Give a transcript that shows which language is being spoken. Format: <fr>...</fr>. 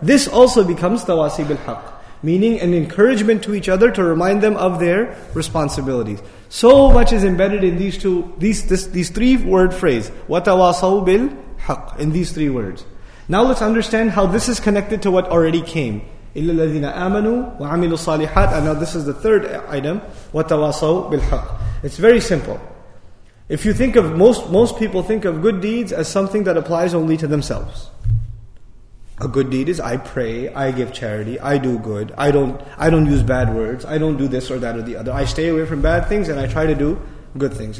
<en>This also becomes</en> <ar>tawasi bilhaq.</ar> <en>Meaning an encouragement to each other to remind them of their responsibilities. So much is embedded in these three word phrase.</en> <ar>وَتَوَاصَوْ بِالْحَقِّ.</ar> <en>In these three words. Now let's understand how this is connected to what already came</en> <ar>إلا الذين آمنوا وعملوا الصالحات.</ar> <en>And now this is the third item.</en> <ar>وتواصوا بالحق.</ar> <en>It's very simple. If you think of most people think of good deeds as something that applies only to themselves. A good deed is I pray, I give charity, I do good, I don't use bad words, I don't do this or that or the other. I stay away from bad things and I try to do good things.</en>